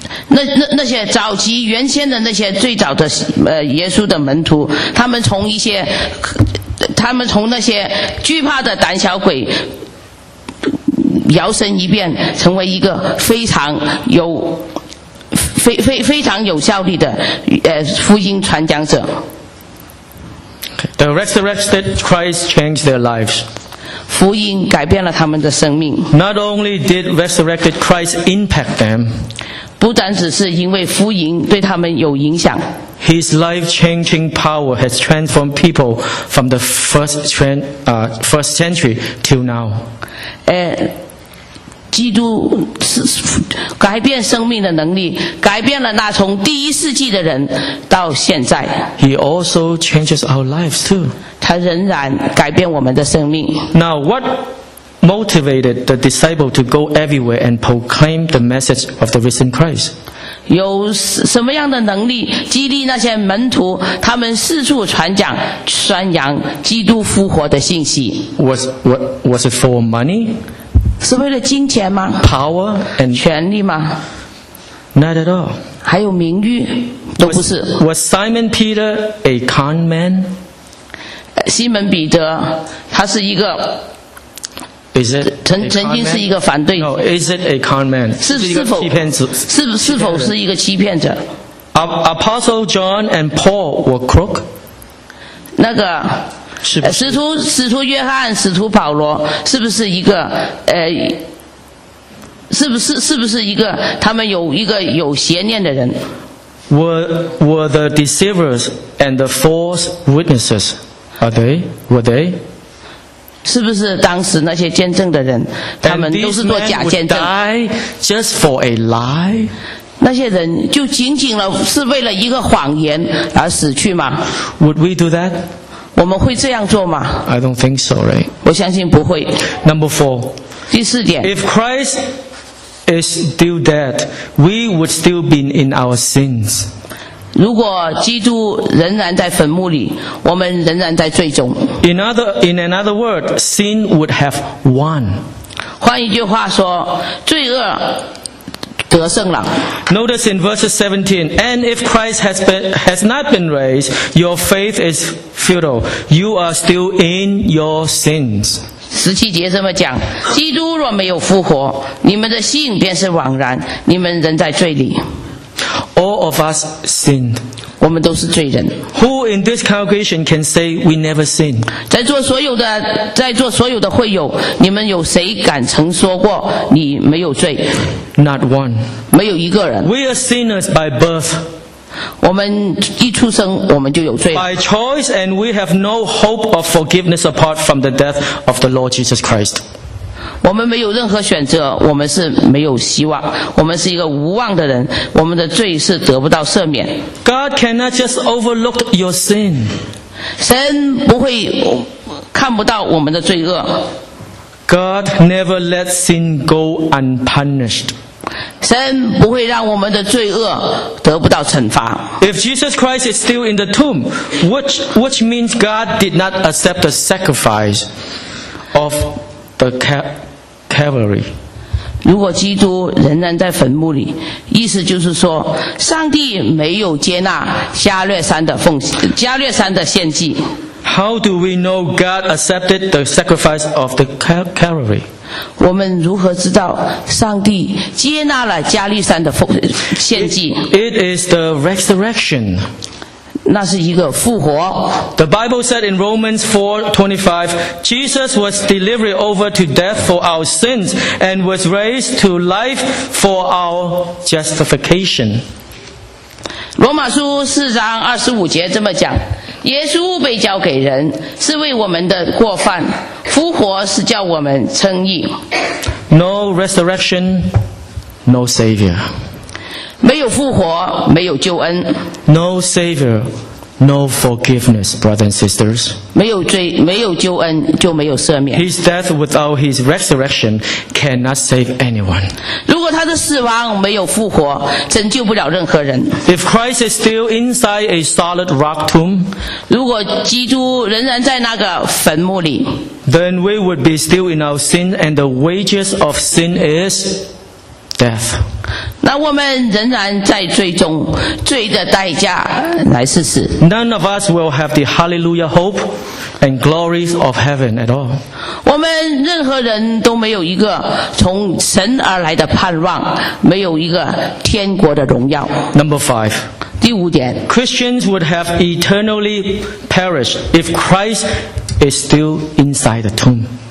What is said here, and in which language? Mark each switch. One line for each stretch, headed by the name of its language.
Chinese: 那些早期原先的那些最早的耶稣的门徒，他们从那些惧怕的胆小鬼摇身一变成为一个非常有非常有效力的福音传讲者。
English: The resurrected Christ changed their lives.
Chinese: 福音改变了他们的生命。
English: Not only did resurrected Christ impact them,
Chinese: 不单只是因为福音对他们有影响。
English: His life-changing power has transformed people from the first century till now.
Chinese: 基督改变生命的能力，改变了那从第一世纪的人到现在。
English: He also changes our lives too.
Chinese: 他仍然改变我们的生命。
English: Now, what motivated the disciple to go everywhere and proclaim the message of the risen Christ?
Chinese: 有什么样的能力激励那些门徒，他们四处传讲、宣扬基督复活的信息？
English: Was it for money?
Chinese: 是为了金钱吗？
English: Power and
Chinese: 权力吗？
English: Not at all.
Chinese: 还有名誉都不是。
English: Was Simon Peter a con man?
Chinese: 西门彼得他是一个
English: Is it
Chinese: 曾经是一个反对
English: No, is it a con man?
Chinese: 是否欺骗者？是否是一个欺骗者？
English: Apostle John and Paul were crook?
Chinese: 那个使徒约翰、使徒保罗是不是一个是不是一个他们有一个有邪念的人？
English: Were the deceivers and the false witnesses? Are they? Were they?
Chinese: 是不是当时那些见证的人，他们都是做假见证？
English: And these men would die just for a lie?
Chinese: 那些人就仅仅了是为了一个谎言而死去吗？
English: Would we do that?
Chinese: 我们会这样做吗？
English: I don't think so, right?
Chinese: 我相信不会。
English: Number four,
Chinese: 第四点，
English: If Christ is still dead, we would still be in our sins.
Chinese: 如果基督仍然在坟墓里，我们仍然在罪中。
English: In another word, sin would have won.
Chinese: 换一句话说，罪恶得胜了。
English: Notice in verses 17, And if Christ has not been raised, your faith is futile. You are still in your sins.
Chinese: 十七节这么讲，基督若没有复活，你们的信便是枉然，你们仍在罪里。
English: All of us sinned.
Chinese: 我们都是罪人。
English: Who in this congregation can say we never sinned?
Chinese: 在座所有的会友，你们有谁敢曾说过你没有罪？
English: Not one.
Chinese: 没有一个人。
English: We are sinners by birth.
Chinese: 我们一出生我们就有罪。
English: By choice, and we have no hope of forgiveness apart from the death of the Lord Jesus Christ.
Chinese: 我们没有任何选择，我们是没有希望，我们是一个无望的人，我们的罪是得不到赦免。
English: God cannot just overlook your sin.
Chinese: 神不会看不到我们的罪恶。
English: God never lets sin go unpunished.
Chinese: 神不会让我们的罪恶得不到惩罚。
English: If Jesus Christ is still in the tomb, which means God did not accept the sacrifice of the Calvary.
Chinese: 如果基督仍然在坟墓里，意思就是说，上帝没有接纳加略山的奉献，加略山的献祭。
English: How do we know God accepted the sacrifice of the Calvary?
Chinese: 我们如何知道上帝接纳了加利山的献祭？
English: It is the resurrection.
Chinese: 那是一个复活。
English: The Bible said in Romans 4:25, Jesus was delivered over to death for our sins and was raised to life for our justification.
Chinese: 罗马书四章二十五节这么讲，耶稣被交给人是为我们的过犯，复活是叫我们称义。
English: No resurrection, no savior.
Chinese: 没有复活，没有救恩。
English: No savior, no forgiveness, brothers and sisters.
Chinese: 没有救恩就没有赦免。
English: His death without his resurrection cannot save anyone.
Chinese: 如果他的死亡没有复活，拯救不了任何人。
English: If Christ is still inside a solid rock tomb,
Chinese: 如果基督仍然在那个坟墓里，
English: then we would be still in our sin and the wages of sin is death.
Chinese: 那我们仍然在罪中，罪的代价乃是死。
English: None of us will have the hallelujah hope and glories of heaven at all.
Chinese: 我们任何人都没有一个从神而来的盼望，没有一个天国的荣耀。
English: Number five.
Chinese: 第五点，
English: Christians would have eternally perished if Christ is still inside the tomb.